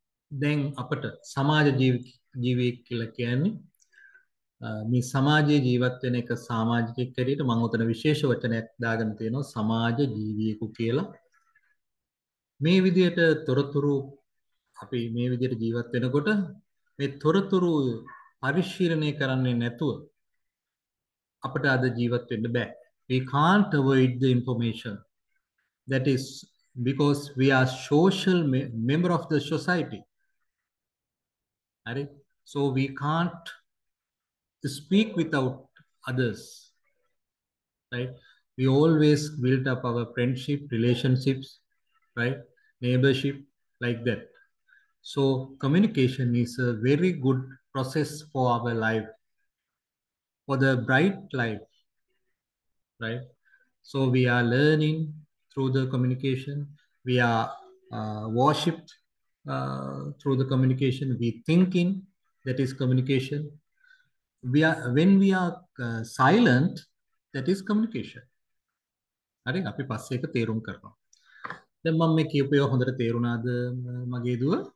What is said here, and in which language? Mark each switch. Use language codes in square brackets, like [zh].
[si] දැන් අපට සමාජ ජීවියෙක් කියලා කියන්නේ මේ සමාජයේ ජීවත් වෙන එක සමාජිකයෙක් හැටියට මම උතන විශේෂ වචනයක් දාගෙන තියෙනවා සමාජ ජීවියෙකු කියලා. මේ විදියට තොරතුරු අපි මේ විදියට ජීවත් වෙනකොට මේ තොරතුරු පරිශීලනය කරන්නේ නැතුව අපට අද ජීවත් වෙන්න බෑ. [en] We can't avoid the information that is because we are social member of the society. So we can't speak without others. Right? We always build up our friendship, relationships, right? Neighborship, like that. So communication is a very good process for our life, for the bright life. Right? So we are learning through the communication. We are worshipped through the communication we think in, that is communication. We are, when we are silent, that is communication. [si] හරි අපි පස්සේ එක තේරුම් කරනවා. දැන් මම මේ කියපු ඒවා හොඳට තේරුණාද මගේ දුව?